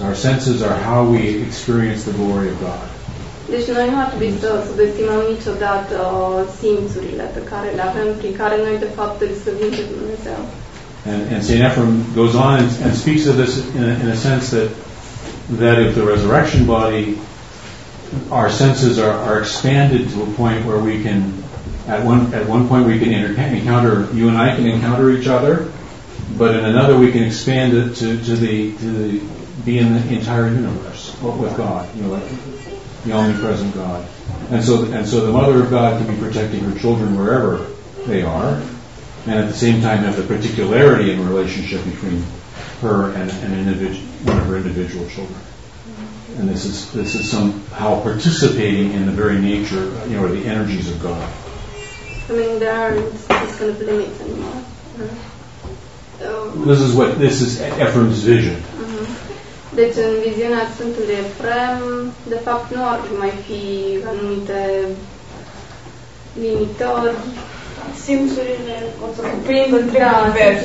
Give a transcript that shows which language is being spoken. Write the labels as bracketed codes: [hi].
[en] Our senses are how we experience the glory of God. [ro] Deci noi nu ar trebui să subestimăm niciodată simțurile pe care le avem, prin care noi de fapt îl slăvim pe Dumnezeu. [en] And St. Ephrem goes on and speaks of this in a sense that if the resurrection body, our senses are expanded to a point where we can, at one point we can encounter, you and I can encounter each other, but in another we can expand it to the be in the entire universe with God, you know, like the omnipresent God. And so the Mother of God can be protecting her children wherever they are, and at the same time have the particularity in the relationship between her and one of her individual children. And this is somehow participating in the very nature, you know, or the energies of God. I mean, there aren't just kind of limits anymore. This is Ephrem's vision. [ro] Deci, în viziunea Sfântului Efrem, de fapt, nu ar mai fi anumite limitări simțurile pot să cuprindă întregul univers.